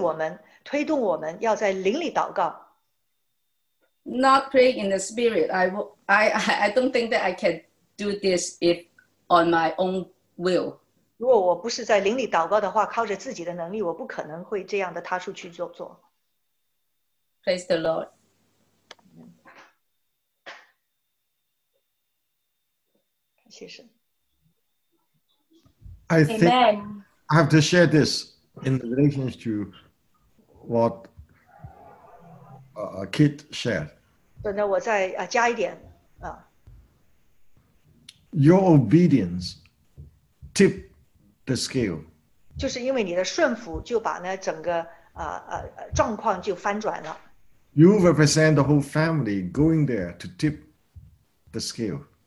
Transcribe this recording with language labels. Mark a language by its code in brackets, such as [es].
[zh] 做得非常感恩赵爸,总是鼓励我们,推动我们要在灵里祷告。 [en] Not praying in the spirit. I don't think that I can do this if on my own will. [zh] 如果我不是在灵里祷告的话，靠着自己的能力，我不可能会这样的踏出去做。 [en] Praise the Lord. I think I have to share this in relation to what Kit shared. [zh] 等等我再加一点。 [en] Your obedience tip the scale. [zh] 就是因为你的顺服就把那整个状况就翻转了。 [en] You represent the whole family going there to tip the scale.